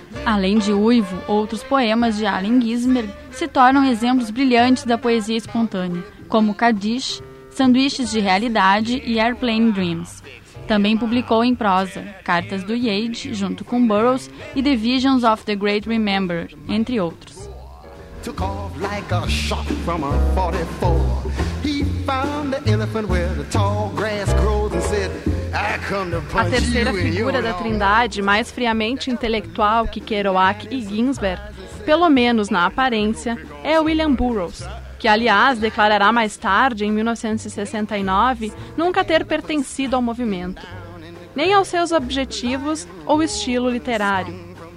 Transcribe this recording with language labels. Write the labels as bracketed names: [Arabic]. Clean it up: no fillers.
[Portuguese] Além de Uivo, outros poemas de Allen Ginsberg se tornam exemplos brilhantes da poesia espontânea, como Kaddish, Sanduíches de Realidade e Airplane Dreams. Também publicou em prosa Cartas do Yeats, junto com Burroughs, e The Visions of the Great Remembered, entre outros. [English] Took off like a shot from a 44. He found the elephant where the tall grass grows and said, [Portuguese] a terceira figura da Trindade, mais friamente intelectual que Kerouac e Ginsberg, pelo menos na aparência, é William Burroughs, que aliás declarará mais tarde, em 1969, nunca ter pertencido ao movimento, nem aos seus objetivos ou estilo literário.